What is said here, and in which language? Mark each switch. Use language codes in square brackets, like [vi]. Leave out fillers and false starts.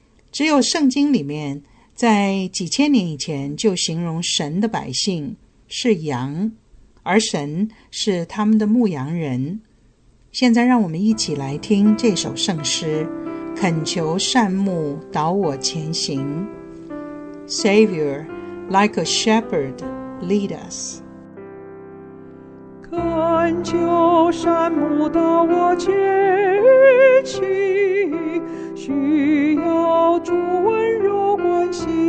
[zh] 只有圣经里面在几千年以前就形容神的百姓是羊，而神是他们的牧羊人。现在让我们一起来听这首圣诗，恳求善牧导我前行。 [en] Savior, like a shepherd, lead us. [zh] 恳求善牧导我前行，需要主温柔关心。